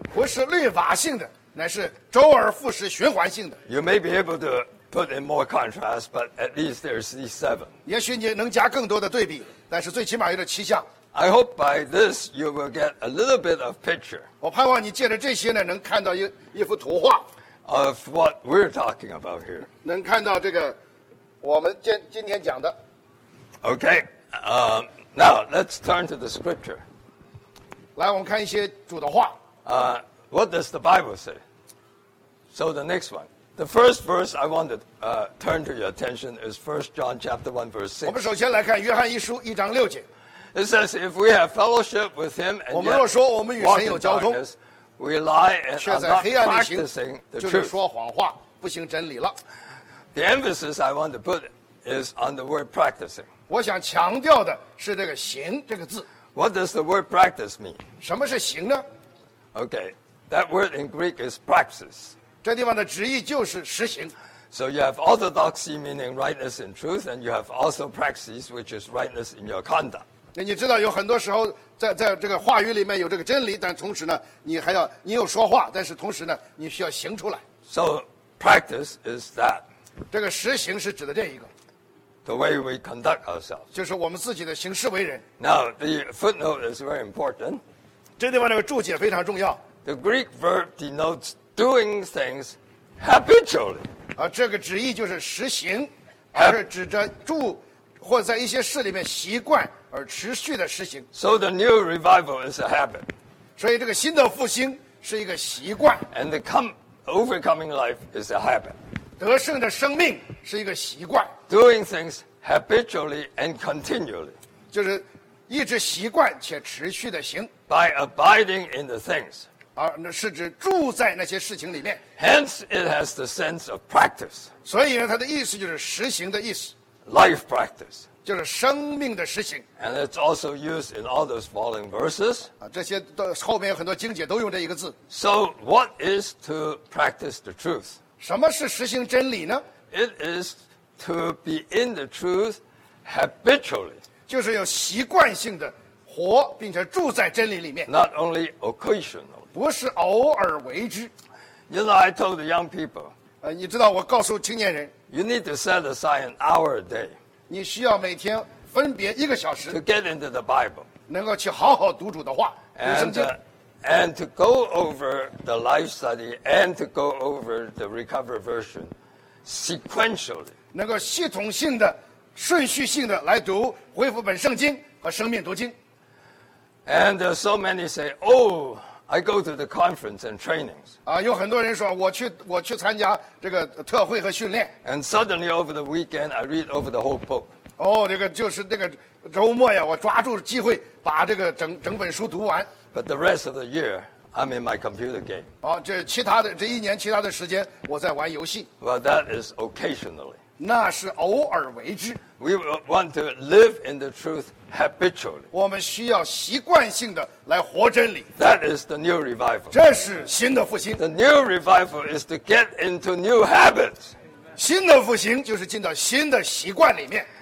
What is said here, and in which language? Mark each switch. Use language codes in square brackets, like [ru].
[zh] 不是律法性的，那是周而复始循环性的。 [en] You may be able to put in more contrast, but at least there is these 7. [zh] 也许你能加更多的对比，但是最起码有这七项。 [en] I hope by this you will get a little bit of picture. [zh] 我盼望你借着这些呢，能看到一幅图画 [en] of what we're talking about here. [zh] 能看到这个我们今天讲的。 [en] Okay, now let's turn to the scripture. [zh] 来，我们看一些主的话。 [en] What does the Bible say? So the next one, the first verse I want to turn to your attention is 1 John chapter 1 verse 6. [zh] 我们首先来看约翰一书一章六节。 [en] It says, if we have fellowship with him and yet walk in darkness, we lie and are not practicing the truth. [zh] 就是说谎话，不行真理了。 [en] The emphasis I want to put is on the word practicing. [zh] 我想强调的是这个行这个字。 [en] What does the word practice mean? [zh] 什么是行呢？ [en] Okay, that word in Greek is praxis. [zh] 这地方的直译就是实行。 [en] So you have orthodoxy, meaning rightness in truth, and you have also praxis, which is rightness in your conduct. [zh] 你知道有很多时候在这个话语里面有这个真理，但同时呢，你还要你有说话，但是同时呢，你需要行出来。 [en] So practice is that. [zh] 这个实行是指的这一个。 [en] The way we conduct ourselves. [zh] 就是我们自己的行事为人。 [en] Now the footnote is very important. [zh] 这地方这个注解非常重要。 [en] The Greek verb denotes doing things habitually. [zh] 啊，这个旨意就是实行，而是指着住或在一些事里面习惯。而持续的实行。 [en] So the new revival is a habit. [zh] 所以这个新的复兴是一个习惯。 [en] And the overcoming life is a habit. [zh] 得胜的生命是一个习惯。 [en] Doing things habitually and continually. [zh] 就是一直习惯且持续的行。 [en] By abiding in the things. [zh] 而那是指住在那些事情里面。 [en] Hence it has the sense of practice. [zh] 所以它的意思就是实行的意思。 [en] Life practice. [zh] 就是生命的实行。 [en] And it's also used in all those following verses. [zh] 这些后面有很多经节都用这一个字。 [en] So what is to practice the truth? [zh] 什么是实行真理呢? [en] It is to be in the truth habitually. [zh] 就是有习惯性的活并且住在真理里面。 [en] Not only occasionally. [zh] 不是偶尔为之。 [en] You know, I told the young people. [zh] 你知道我告诉青年人。 [en] You need to set aside an hour a day. [zh] 你需要每天分别一个小时 [en] to get into the Bible, [zh] 能够去好好读主的话 [en] and to go over the life study and to go over the recovered version sequentially, [zh] 能够系统性的顺序性的来读恢复本圣经和生命读经 [en] and so many say, oh, I go to the conference and trainings, [zh] 有很多人说我去参加这个特会和训练 [en] and suddenly over the weekend I read over the whole book, [zh] 这个就是那个周末呀我抓住机会把这个整本书读完 [en] but the rest of the year I'm in my computer game, [zh] 这其他的这一年其他的时间我在玩游戏 [en] well that is occasionally, [zh] 那是偶尔为之 [en] we want to live in the truth habitually, [zh] 我们需要习惯性的来活真理 [en] that is the new revival, [zh] 这是新的复兴 [en] the new revival is to get into new habits, [zh] 新的复兴就是进到新的习惯里面